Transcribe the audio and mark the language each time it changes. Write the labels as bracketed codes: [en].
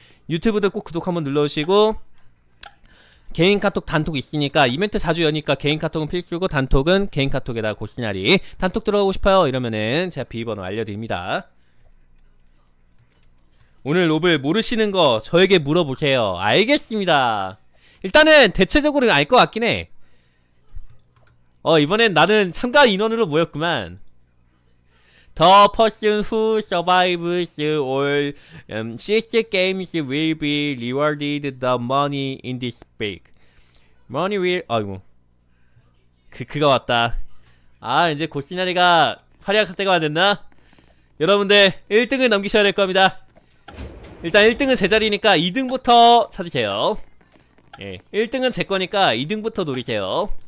[ko] 유튜브도 꼭 구독 한번 눌러주시고, 개인 카톡 단톡 있으니까, 이벤트 자주 여니까 개인 카톡은 필수고, 단톡은 개인 카톡에다가 고스나리 단톡 들어가고 싶어요 이러면은 제가 비밀번호 알려드립니다. 오늘 로블 모르시는 거 저에게 물어보세요. 알겠습니다. 일단은 대체적으로는 알 것 같긴 해. 어, 이번엔 나는 참가 인원으로 모였구만. [en] The person who survives all CS games will be rewarded the money in this bag. Money will... [ko] 아이고. 그거 왔다. 아, 이제 고스나리가 활약할 때가 됐나? 여러분들 1등을 넘기셔야 될 겁니다. 일단 1등은 제 자리니까 2등부터 찾으세요. 예, 1등은 제 거니까 2등부터 노리세요.